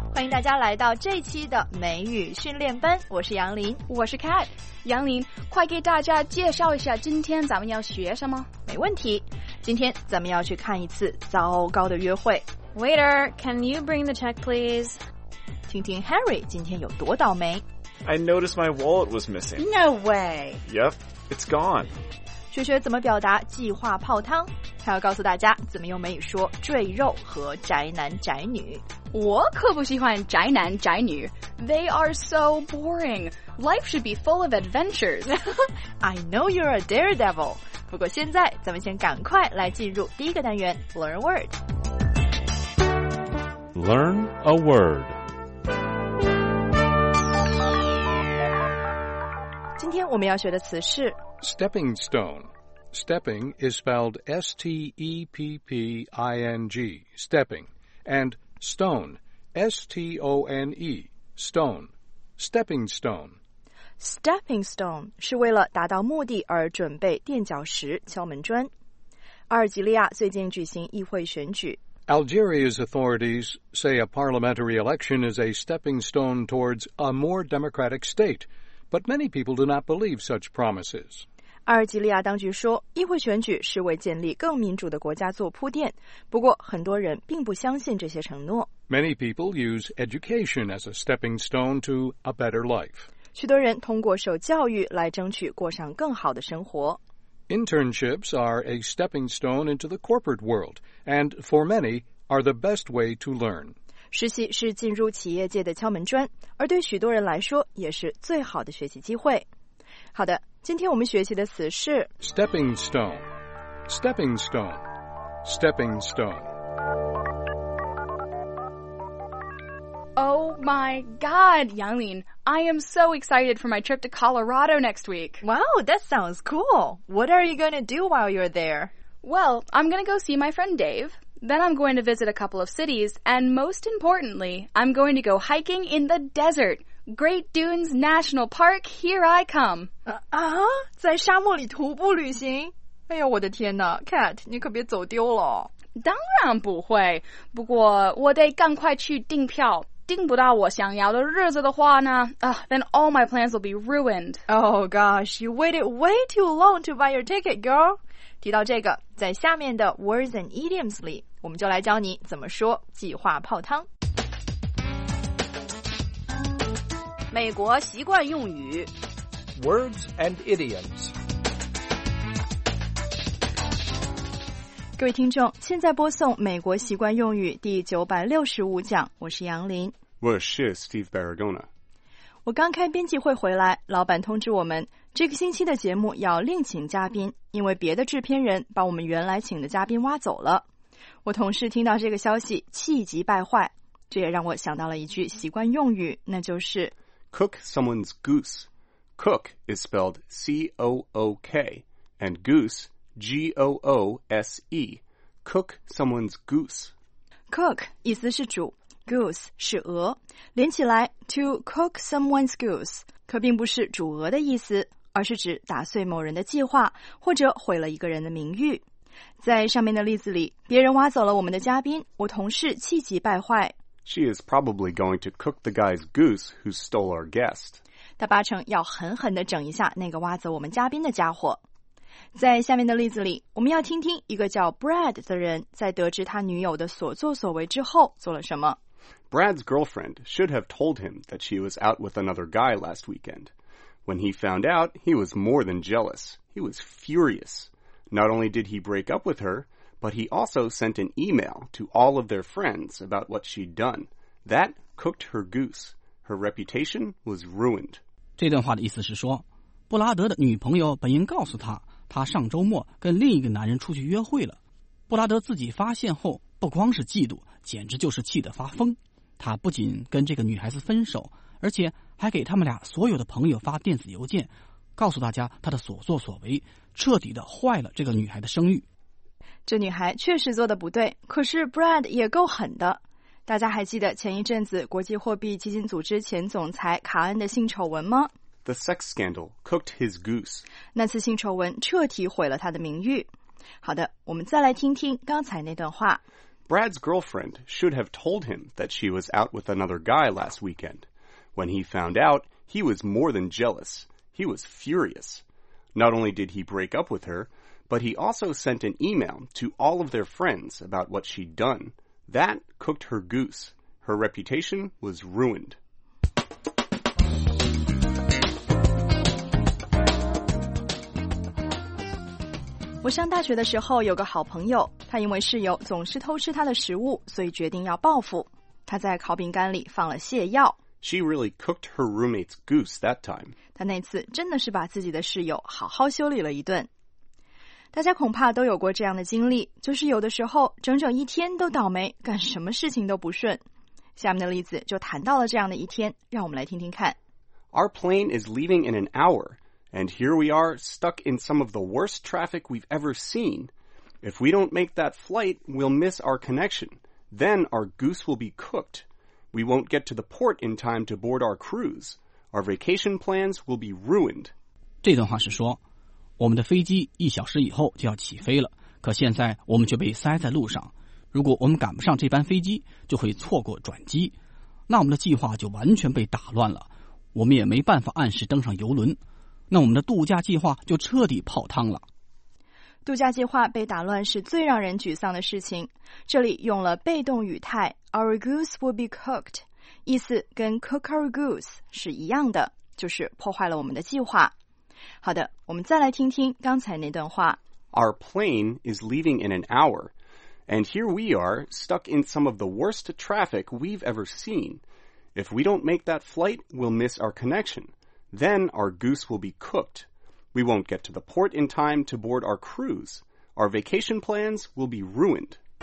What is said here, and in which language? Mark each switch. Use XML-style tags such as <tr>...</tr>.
<zh>大家来到这期的美语训练班，我是杨林，我是 Cat。杨林，快给大家介绍一下今天咱们要学什么。没问题，今天咱们要去看一次糟糕的约会。</zh> <en>Waiter, can you bring the check please?</en> <zh>听听 Harry 今天有多倒霉。</zh> <en>I noticed my wallet was missing. No way. Yep, it's gone.</en> <zh>学学怎么表达计划泡汤，还要告诉大家怎么用美语说赘肉和宅男宅女。我可不喜欢宅男宅女。</zh> <en>They are so boring. Life should be full of adventures. I know you're a daredevil.</en> <zh>不过现在咱们先赶快来进入第一个单元 Learn a word.</zh> <en>Learn a word.</en> <zh>今天我们要学的词是</zh> <en>Stepping stone. Stepping is spelled S-T-E-P-P-I-N-G. Stepping. AndStone, S-T-O-N-E, stone, stepping stone.</en> <zh>Stepping stone 是为了达到目的而准备垫脚石、敲门砖。阿尔及利亚最近举行议会选举。</zh> <en>Algeria's authorities say a parliamentary election is a stepping stone towards a more democratic state, but many people do not believe such promises.</en> <zh>阿尔及利亚当局说，议会选举是为建立更民主的国家做铺垫，不过很多人并不相信这些承诺。</zh> <en>Many people use education as a stepping stone to a better life.</en> <zh>许多人通过受教育来争取过上更好的生活。</zh> <en>Internships are a stepping stone into the corporate world, and for many are the best way to learn.</en> <zh>实习是进入企业界的敲门砖，而对许多人来说也是最好的学习机会。好的，今天我们学习的词是</zh> <en>Stepping stone, stepping stone, stepping stone. Oh my god, Yanglin, I am so excited for my trip to Colorado next week. Wow, that sounds cool. What are you going to do while you're there? Well, I'm going to go see my friend Dave. Then I'm going to visit a couple of cities. And most importantly, I'm going to go hiking in the desert. Great Dunes National Park, here I come.</en> <zh>在沙漠里徒步旅行？哎呀，我的天哪 ，Cat， 你可别走丢了。当然不会，不过我得赶快去订票。订不到我想要的日子的话呢，</zh> <en>then all my plans will be ruined. Oh gosh, you waited way too long to buy your ticket, girl.</en> <zh>提到这个，在下面的 Words and Idioms 里，我们就来教你怎么说计划泡汤。美国习惯用语</zh> <en>Words and Idioms.</en> <zh>各位听众，现在播送美国习惯用语第965讲，我是杨林。我是 Steve Barragona。我刚开编辑会回来，老板通知我们这个星期的节目要另请嘉宾，因为别的制片人把我们原来请的嘉宾挖走了。我同事听到这个消息气急败坏，这也让我想到了一句习惯用语，那就是</zh> <en>Cook someone's goose. Cook is spelled C-O-O-K, and goose, G-O-O-S-E. Cook someone's goose.</en> <zh>Cook 意思是煮， goose 是鹅。连起来</zh> <en>to cook someone's goose</en> <zh>可并不是煮鹅的意思，而是指打碎某人的计划，或者毁了一个人的名誉。在上面的例子里，别人挖走了我们的嘉宾，我同事气急败坏。</zh> <en>She is probably going to cook the guy's goose who stole our guest.</en> <zh>她八成要狠狠地整一下那个挖走我们嘉宾的家伙。在下面的例子里，我们要听听一个叫 Brad 的人在得知他女友的所作所为之后做了什么。</zh> <en>Brad's girlfriend should have told him that she was out with another guy last weekend. When he found out, he was more than jealous. He was furious. Not only did he break up with her,But he also sent an email to all of their friends about what she'd done. That cooked her goose. Her reputation was ruined.</en> <zh>这段话的意思是说，布拉德的女朋友本应告诉他，他上周末跟另一个男人出去约会了。布拉德自己发现后，不光是嫉妒，简直就是气得发疯。他不仅跟这个女孩子分手，而且还给他们俩所有的朋友发电子邮件，告诉大家他的所作所为，彻底的坏了这个女孩的声誉。这女孩确实做得不对，可是 Brad 也够狠的。大家还记得前一阵子国际货币基金组织前总裁卡恩的性丑闻吗？</zh> <en>The sex scandal cooked his goose.</en> <zh>那次性丑闻彻底毁了他的名誉。好的，我们再来听听刚才那段话。</zh> <en>Brad's girlfriend should have told him that she was out with another guy last weekend. When he found out, he was more than jealous. He was furious. Not only did he break up with her, but he also sent an email to all of their friends about what she'd done. That cooked her goose. Her reputation was ruined.</en> <zh>我上大学的时候有个好朋友，他因为室友总是偷吃他的食物，所以决定要报复。他在烤饼干里放了泻药。</zh> <en>She really cooked her roommate's goose that time.</en> <zh>他那次真的是把自己的室友好好修理了一顿。大家恐怕都有过这样的经历，就是有的时候整整一天都倒霉，干什么事情都不顺。下面的例子就谈到了这样的一天，让我们来听听看。</zh> <en>Our plane is leaving in an hour. And here we are, stuck in some of the worst traffic we've ever seen. If we don't make that flight, we'll miss our connection. Then our goose will be cooked. We won't get to the port in time to board our cruise. Our vacation plans will be ruined.</en> <zh>这段话是说，我们的飞机一小时以后就要起飞了，可现在我们却被塞在路上。如果我们赶不上这班飞机，就会错过转机，那我们的计划就完全被打乱了，我们也没办法按时登上游轮。那我们的度假计划就彻底泡汤了。度假计划被打乱是最让人沮丧的事情。这里用了被动语态 ,</zh> <en>our goose will be cooked,</en> <zh>意思跟</zh> <en>cook our goose</en> <zh>是一样的，就是破坏了我们的计划。好的，我们再来听听刚才那段话。</zh> <en>Our plane is leaving in an hour, and here we are, stuck in some of the worst traffic we've ever seen. If we don't make that flight, we'll miss our connection. Then our goose will be cooked. We won't get to the port in time to board our cruise. Our vacation plans will be ruined.</en>